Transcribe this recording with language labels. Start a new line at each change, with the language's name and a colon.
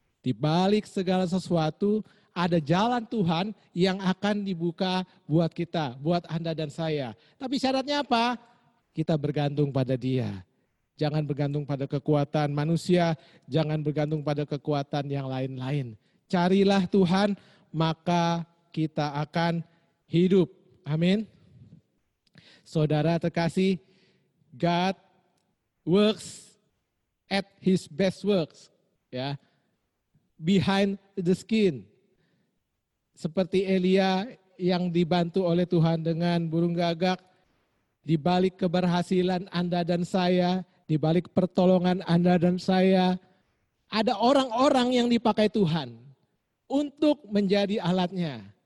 Indonesian: Di balik segala sesuatu, ada jalan Tuhan yang akan dibuka buat kita, buat Anda dan saya. Tapi syaratnya apa? Kita bergantung pada Dia. Jangan bergantung pada kekuatan manusia, jangan bergantung pada kekuatan yang lain-lain. Carilah Tuhan, maka kita akan hidup. Amin. Saudara terkasih,
English: God works at his best works, ya, behind the skin.
Indonesian: Seperti Elia yang dibantu oleh Tuhan dengan burung gagak, di balik keberhasilan Anda dan saya, di balik pertolongan Anda dan saya, ada orang-orang yang dipakai Tuhan untuk menjadi alatnya.